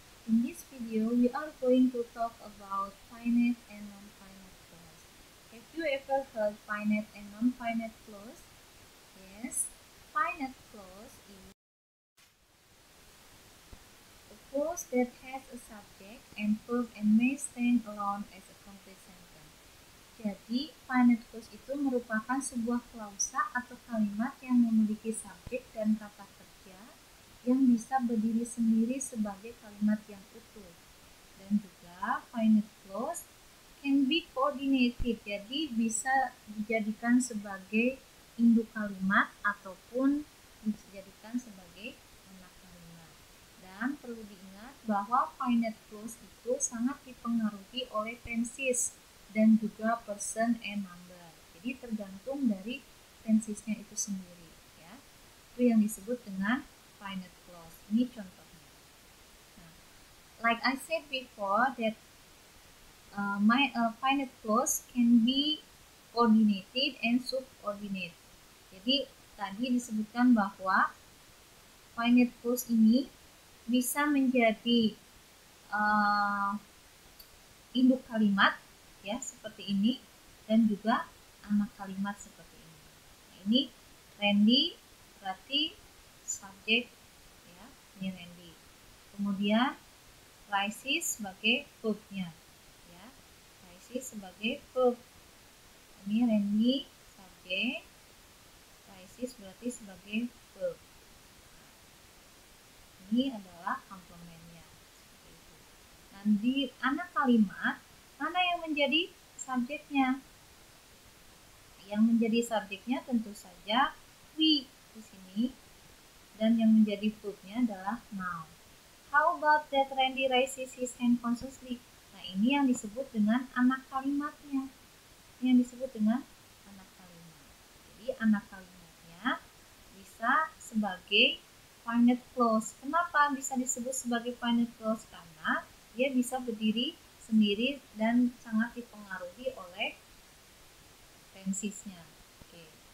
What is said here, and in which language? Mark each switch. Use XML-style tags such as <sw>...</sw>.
<en>In this video, we are going to talk about finite and non-finite clause. Have you ever heard finite and non-finite clause? Yes, finite clause is a clause that has a subject and verb and may stand alone as a complete sentence.</en> <id>Jadi, finite clause itu merupakan sebuah klausa atau kalimat yang memiliki subjek dan kata kerja yang bisa berdiri sendiri sebagai kalimat yang utuh. Dan juga,</id> <en>finite clause can be coordinated,</en> <id>jadi bisa dijadikan sebagai induk kalimat ataupun dijadikan sebagai anak kalimat. Dan perlu diingat bahwa finite clause itu sangat dipengaruhi oleh tenses dan juga</id> <en>person and number.</en> <id>Jadi tergantung dari tensesnya itu sendiri, ya. Itu yang disebut dengan finite clause. Ini contohnya.</id> <en>Nah, like I said before that finite clause can be coordinated and subordinate.</en> <id>Jadi tadi disebutkan bahwa finite clause ini bisa menjadi induk kalimat, ya, seperti ini, dan juga anak kalimat seperti ini. Nah, ini Randy berarti subjek, ya, ini Randy. Kemudian Rises sebagai verb-nya, ya, Rises sebagai verb. Ini Randy subjek, Rises berarti sebagai verb. Ini adalah komplementnya seperti itu. Nanti anak kalimat mana yang menjadi subjeknya? Yang menjadi subjeknya tentu saja we di sini, dan yang menjadi verbnya adalah noun.</id> <en>How about that Randy raises his hand consciously?</en> <id>Nah, ini yang disebut dengan anak kalimatnya. Ini yang disebut dengan anak kalimat. Jadi anak kalimatnya bisa sebagai finite clause. Kenapa bisa disebut sebagai finite clause? Karena dia bisa berdiri sendiri dan sangat dipengaruhi oleh tensesnya. Oke.</id>